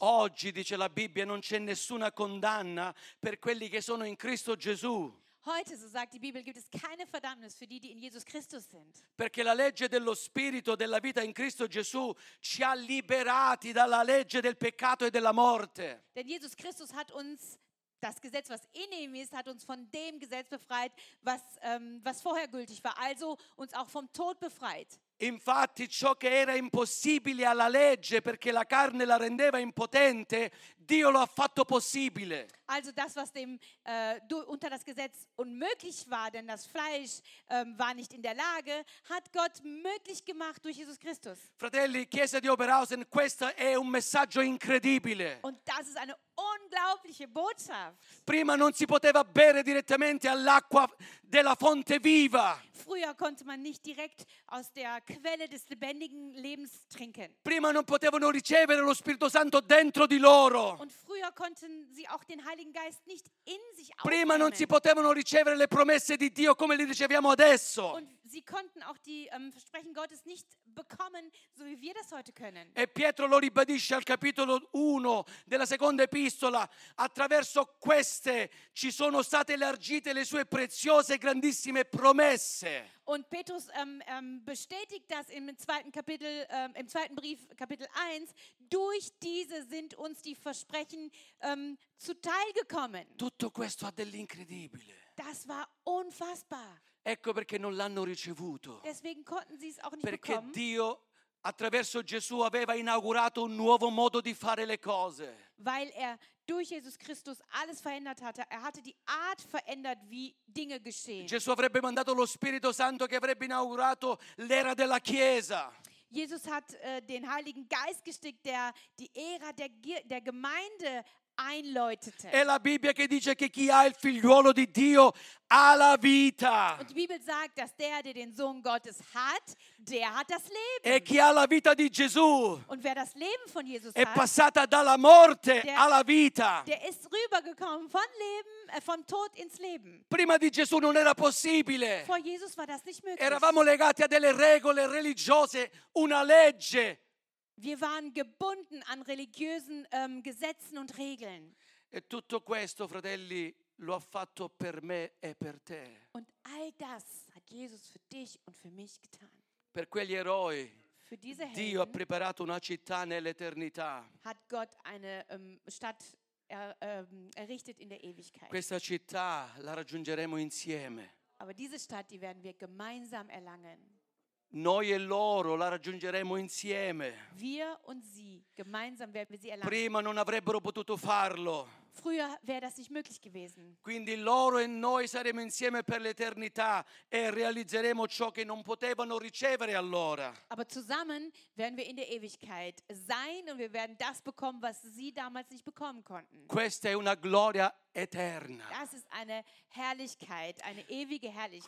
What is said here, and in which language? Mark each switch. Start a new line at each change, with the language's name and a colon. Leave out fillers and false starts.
Italian: Oggi, dice la Bibbia, non c'è nessuna condanna per quelli che sono in Cristo Gesù.
German: Heute, so sagt die Bibel, gibt es keine Verdammnis für die, die in Jesus Christus sind.
Italian: Perché la legge dello spirito della vita in Cristo Gesù ci ha liberati dalla legge del peccato e della morte.
German: Denn Jesus Christus hat uns das Gesetz, was in ihm ist, hat uns von dem Gesetz befreit, was vorher gültig war, also uns auch vom Tod befreit.
Italian: Infatti ciò che era impossibile alla legge perché la carne la rendeva impotente, Dio lo ha fatto possibile.
German: Also das, was dem unter das Gesetz unmöglich war, denn das Fleisch war nicht in der Lage, hat Gott möglich gemacht durch Jesus Christus.
Italian: Fratelli, Chiesa di Oberhausen, questo è un messaggio incredibile.
German: Und das ist eine unglaubliche Botschaft.
Italian: Prima non si poteva bere direttamente all'acqua della fonte viva.
German: Früher konnte man nicht direkt aus der Quelle des lebendigen Lebens trinken.
Italian: Prima non potevano ricevere lo Spirito Santo dentro di loro.
German: Und früher konnten sie auch den Heiligen Geist nicht in sich aufnehmen.
Italian: Prima non si potevano ricevere le promesse di Dio come le riceviamo adesso.
German: Und sie konnten auch die Versprechen Gottes nicht bekommen, so wie wir das heute können.
Italian: E Pietro lo ribadisce al capitolo 1 della seconda epistola: attraverso queste ci sono state elargite le sue preziose grandissime promesse.
German: Und Petrus bestätigt das im zweiten Kapitel, im zweiten Brief, Kapitel 1. Durch diese sind uns die Versprechen zuteil gekommen.
Italian: Tutto questo ha dell'incredibile.
German: Das war unfassbar.
Italian: Ecco perché non l'hanno ricevuto.
German: Deswegen konnten sie es auch nicht
Italian: perché
German: bekommen.
Italian: Dio attraverso Gesù aveva inaugurato un nuovo modo di fare le cose.
German: Weil er durch Jesus Christus alles verändert hatte. Er hatte die Art verändert, wie Dinge geschehen.
Italian: Gesù avrebbe mandato lo Spirito Santo che avrebbe inaugurato l'era della Chiesa.
German: Jesus hat den Heiligen Geist gestickt, der die Ära der Gemeinde einläutete.
Italian: È la Bibbia che dice che chi ha il figliuolo di Dio ha la vita.
German: Und die Bibel sagt, dass der, der den Sohn Gottes hat, der hat das Leben.
Italian: E chi ha la vita di Gesù.
German: Und wer das Leben von Jesus
Italian: è passata dalla morte alla vita.
German: Der ist rübergekommen von Leben, vom Tod ins Leben.
Italian: Prima di Gesù non era possibile.
German: Vor Jesus war das nicht möglich.
Italian: Eravamo legati a delle regole religiose, una legge.
German: Wir waren gebunden an religiösen Gesetzen und Regeln.
Italian: E tutto questo, fratelli, lo ha fatto per me e per te.
German: Und all das hat Jesus für dich und für mich getan.
Italian: Per quegli eroi,
German: für diese Helden,
Italian: Dio ha preparato una città nell'eternità.
German: Hat Gott eine Stadt errichtet in der Ewigkeit.
Italian: Questa città la raggiungeremo insieme.
German: Aber diese Stadt, die werden wir gemeinsam erlangen.
Italian: Noi e loro la raggiungeremo insieme.
German: Wir und sie, gemeinsam werden wir sie erlangen.
Italian: Prima non avrebbero potuto farlo.
German: Früher wäre das nicht möglich gewesen.
Italian: Quindi loro e noi saremo insieme per l'eternità e realizzeremo ciò che non potevano ricevere allora.
German: Aber zusammen werden wir in der Ewigkeit sein und wir werden das bekommen, was sie damals nicht bekommen konnten.
Italian: Questa è una gloria eterna.
German: Das ist eine Herrlichkeit, eine ewige Herrlichkeit.